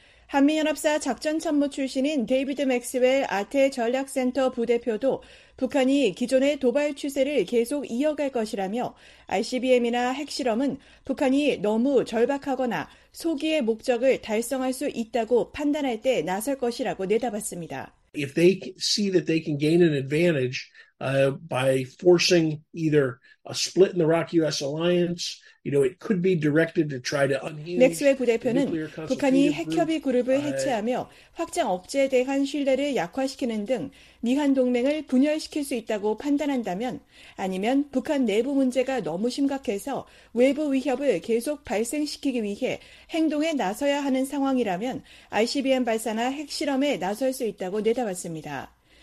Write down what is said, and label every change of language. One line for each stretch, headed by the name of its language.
Korean: 한미연합사 작전참모 출신인 데이비드 맥스웰 아태 전략센터 부대표도 북한이 기존의 도발 추세를 계속 이어갈 것이라며 ICBM이나 핵실험은 북한이 너무 절박하거나 소기의 목적을 달성할 수 있다고 판단할 때 나설 것이라고 내다봤습니다.
English: If they see that they can gain an advantage by forcing either a split in the ROK-US alliance, you know, it could be directed to try to unhinge.
Korean: 맥스웰 부대표는 북한이 핵협의 그룹을 해체하며 확장 억제에 대한 신뢰를 약화시키는 등 미한 동맹을 분열시킬 수 있다고 판단한다면 아니면 북한 내부 문제가 너무 심각해서 외부 위협을 계속 발생시키기 위해 행동에 나서야 하는 상황이라면 ICBM 발사나 핵실험에 나설 수 있다고 내다봤습니다.